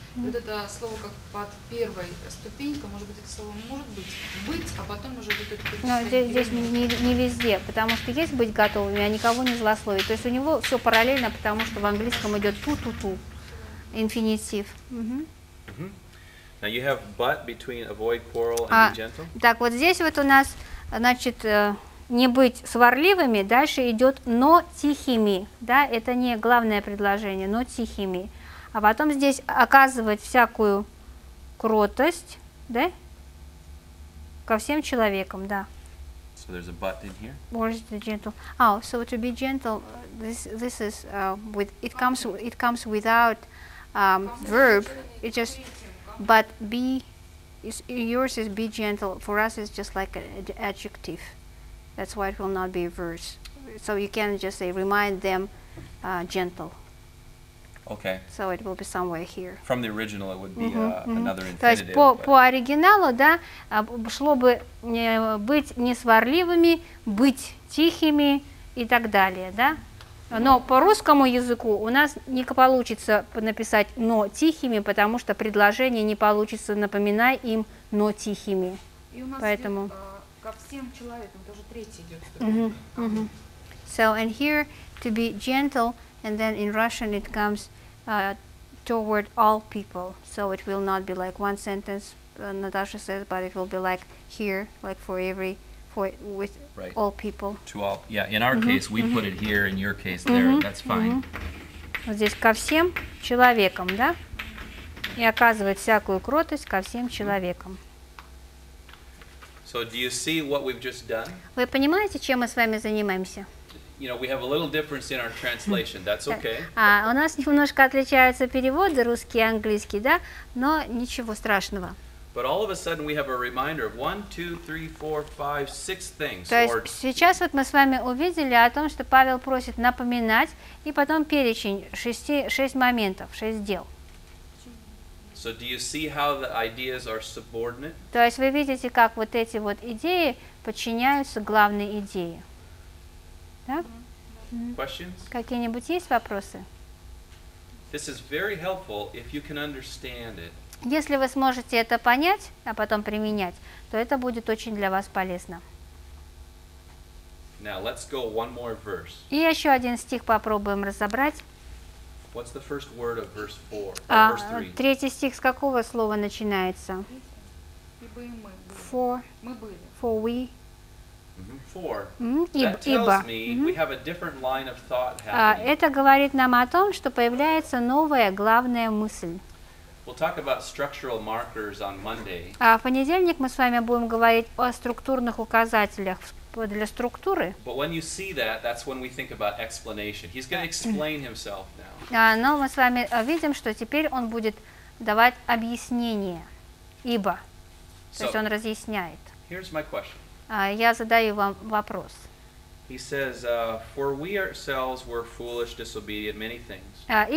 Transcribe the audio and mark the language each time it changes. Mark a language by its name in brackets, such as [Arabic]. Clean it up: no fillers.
[Russian] Вот это слово как под первой ступенькой, может быть, это слово может быть, а потом уже вот это. Но здесь не везде, потому что есть быть готовыми, а никого не злословить. То есть у него все параллельно, потому что в английском идет ту-ту-ту, инфинитив. [English] Now you have but between avoid quarrel and be gentle. [Russian] Так, вот здесь вот у нас, значит, не быть сварливыми, дальше идет но тихими, да, это не главное предложение, но тихими. А потом здесь оказывать всякую кротость, да, ко всем человекам, да. [English] So there's a but in here? Or is it gentle? So to be gentle, this is with, it comes without verb, it just... But be, yours is be gentle. For us, it's just like an adjective. That's why it will not be a verse. So you can just say, remind them gentle. Okay. So it will be somewhere here. From the original, it would be another infinitive. [Russian] То есть по оригиналу, да, шло бы быть несварливыми, быть тихими и так далее, да? Но по русскому языку у нас не получится написать «но тихими», потому что предложение не получится «напоминай им, но тихими». И у нас поэтому идет, ко всем человекам тоже третий идет. [English] So, and here, to be gentle, and then in Russian it comes toward all people. So it will not be like one sentence, Natasha says, but it will be like here, like for every... with right. all people. To all, yeah, in our case, we put it here, in your case, there, that's fine. [Russian] Вот здесь ко всем человекам, да? И оказывать всякую кротость ко всем человекам. [English] So do you see what we've just done? [Russian] Вы понимаете, чем мы с вами занимаемся? [English] You know, we have a little difference in our translation, that's okay. [Russian] У нас немножко отличаются переводы, русский и английский, да? Но ничего страшного. [English] But all of a sudden we have a reminder of 1, 2, 3, 4, 5, 6 things. [Russian] То есть сейчас вот мы с вами увидели о том, что Павел просит напоминать, и потом перечень шесть моментов, шесть дел. [English] So do you see how the ideas are subordinate? [Russian] То есть вы видите, как вот эти вот идеи подчиняются главной идее, да? [English] Questions? [Russian] Какие-нибудь есть вопросы? [English] This is very helpful if you can understand it. [Russian] Если вы сможете это понять, а потом применять, то это будет очень для вас полезно. [English] Now, let's go one more verse. [Russian] И еще один стих попробуем разобрать. [English] What's the first word of verse four, verse three? [Russian] Третий стих с какого слова начинается? Ибо и мы были. [English] For we. For. [Russian] Ибо. [English] That tells me we have a different line of thought happening. [Russian] Это говорит нам о том, что появляется новая главная мысль. [English] We'll talk about structural markers on Monday. [Russian] В понедельник мы с вами будем говорить о структурных указателях для структуры. [English] But when you see that, that's when we think about explanation. He's going to explain himself now. [Russian] Но мы с вами видим, что теперь он будет давать объяснение. Ибо. То есть он разъясняет. [English] Here's my question. [Russian] Я задаю вам вопрос. [English] He says, for we ourselves were foolish, disobedient, many things.